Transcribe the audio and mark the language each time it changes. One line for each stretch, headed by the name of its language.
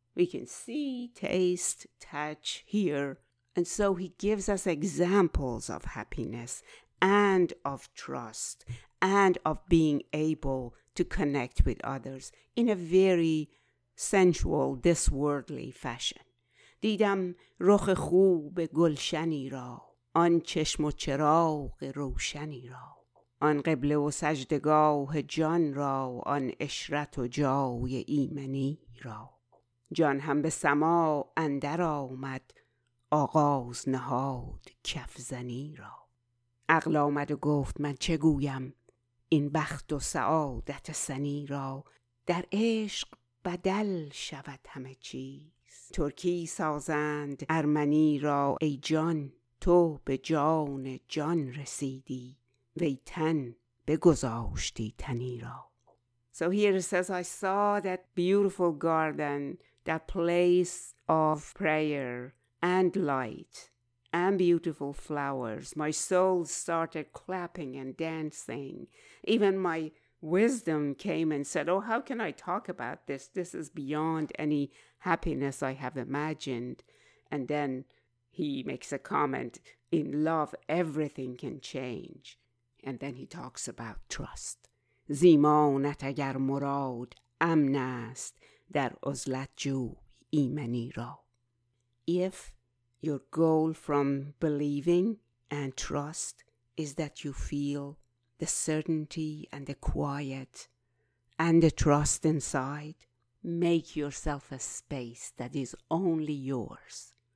English: We can see, taste, touch, hear. And so he gives us examples of happiness and of trust and of being able to connect with others in a very sensual, this worldly fashion.
Persian: دیدم رخ خوب گلشنی را آن چشم و چراغ روشنی را آن قبله و سجدگاه جان را آن عشرت و جای ایمنی را جان هم به سما اندر آمد آغاز نهاد کفزنی را عقل آمد و گفت من چه گویم این بخت و سعادت سنی را در عشق بدل شود همه چیز ترکی سازند ارمنی را ای جان تو به جان جان رسیدی وی تن بگذاشتی تنی را.
English: So here it says, I saw that beautiful garden, that place of prayer and light and beautiful flowers. My soul started clapping and dancing. Even my wisdom came and said, oh, how can I talk about this? This is beyond any happiness I have imagined. And then he makes a comment, in love, everything can change. And then he talks about trust.
Persian: زیمانت اگر مراد امن است در عزلت جو ایمنی را.
English: If your goal from believing and trust is that you feel the certainty and the quiet and the trust inside, make yourself a space that is only yours.